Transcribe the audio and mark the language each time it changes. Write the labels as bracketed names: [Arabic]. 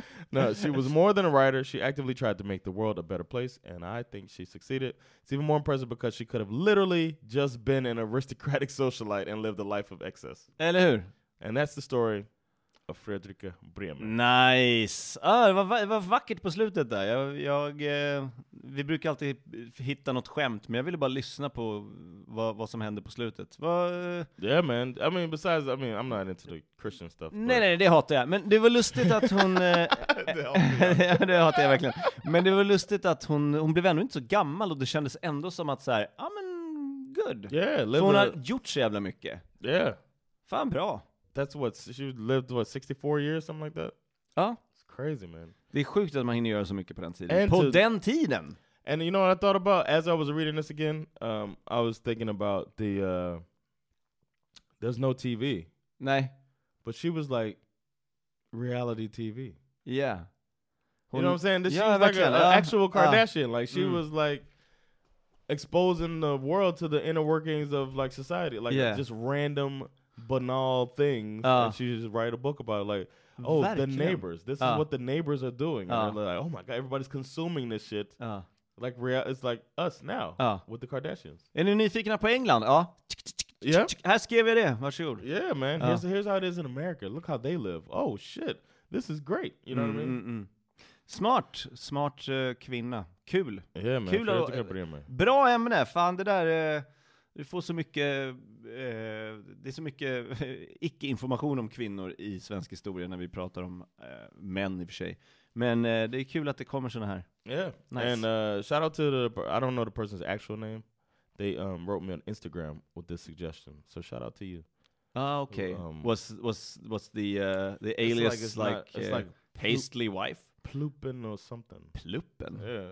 [English] No, she was more than a writer. She actively tried to make the world a better place, and I think she succeeded. It's even more impressive because she could have literally just been an aristocratic socialite and lived a life of excess. [Swedish] Eller hur? [English] And that's the story of Fredrika Bremer. Nice. [Swedish] Det var vackert på slutet där. Vi brukar alltid hitta något skämt, men jag ville bara lyssna på vad som hände på slutet. [English] Yeah, man. I mean, besides, I mean, I'm not into the Christian stuff. [Swedish] Nej, det hatar jag. Men det var lustigt att hon... det hatar jag verkligen. Men det var lustigt att hon blev ändå inte så gammal, och det kändes ändå som att så här, ja, men good. [English] Yeah, [Swedish] så hon har gjort så jävla mycket. [English] Yeah. [Swedish] Fan bra. [English] That's what she lived, what, 64 years, something like that? [Swedish] Ja. Oh. [English] It's crazy, man. [Swedish] Det är sjukt att man hinner göra så mycket på den tiden. And den tiden! [English] And you know what I thought about as I was reading this again? I was thinking about the... there's no TV. [Swedish] Nej. [English] But she was like reality TV. Yeah. You know what I'm saying? This, yeah, she was like an actual Kardashian. Like, she was like... exposing the world to the inner workings of, like, society. Like, just random... banal things, and she just write a book about it, like, oh, the neighbors. This is what the neighbors are doing. And they're like, oh my god, everybody's consuming this shit. Like, it's like us now with the Kardashians. [Swedish] Är ni nyfikna på England? Här skrev jag det, varsågod. [English] Yeah, man. Here's how it is in America. Look how they live. Oh shit, this is great. You know what I mean? [Swedish] Smart kvinna. Kul. [English] Yeah, man. [Swedish] Kul att bry mig. Bra ämne. Fan, det där... du får så mycket, det är så mycket icke-information om kvinnor i svensk historia när vi pratar om män i och för sig. Men det är kul att det kommer såna här. [English] Yeah, nice. And shout out to I don't know the person's actual name. They wrote me on Instagram with this suggestion. So shout out to you. Ah, okay. What's the alias, like, it's like Paisley Wife? Pluppen or something. Pluppen? Yeah.